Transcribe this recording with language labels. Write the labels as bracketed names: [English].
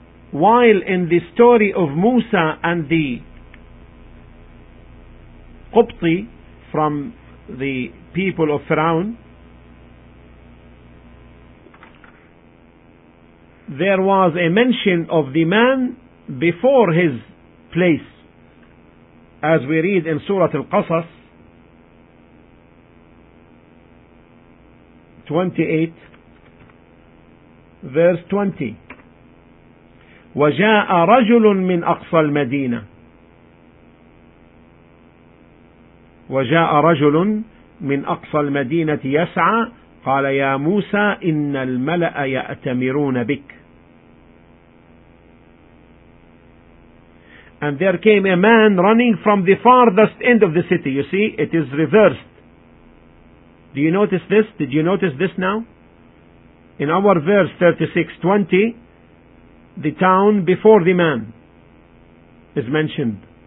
[English] While in the story of Musa and the Qubti from the people of Pharaoh, there was a mention of the man before his place. As we read in Surah Al-Qasas 28 verse 20, [Arabic] وجاء رجل من أقصى المدينة. وجاء رجل من أقصى المدينة يسعى قال يا موسى إن الملأ يأتمرون بك. [English] And there came a man running from the farthest end of the city. You see, it is reversed. Do you notice this? Did you notice this now? In our verse 36:20, the town before the man is mentioned.